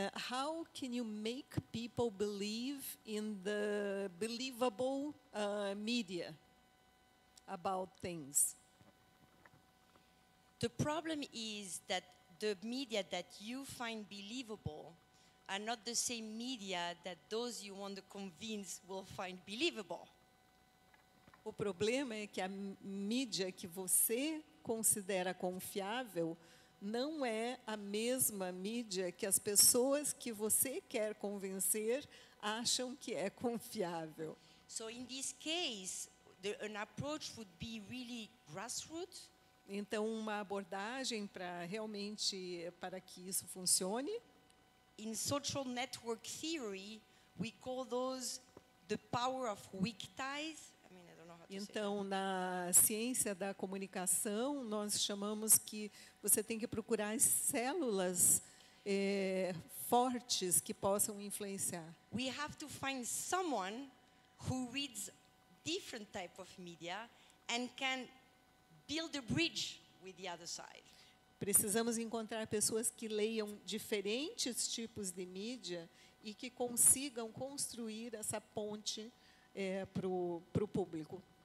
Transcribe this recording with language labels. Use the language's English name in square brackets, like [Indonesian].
[English] How can you make people believe in the believable media about things? The problem is that the media that you find believable are not the same media that those you want to convince will find believable. [Portuguese] O problema é que a mídia que você considera confiável não é a mesma mídia que as pessoas que você quer convencer acham que é confiável. [English] So in this case, an approach would be really grassroots. [Portuguese] Então uma abordagem para realmente para que isso funcione. [English] In social network theory, we call those the power of weak ties. [Portuguese] Então, na ciência da comunicação, nós chamamos que você tem que procurar as células fortes que possam influenciar. [English] We have to find someone who reads different type of media and can build a bridge with the other side. [Portuguese] Precisamos encontrar pessoas que leiam diferentes tipos de mídia e que consigam construir essa ponte para o público.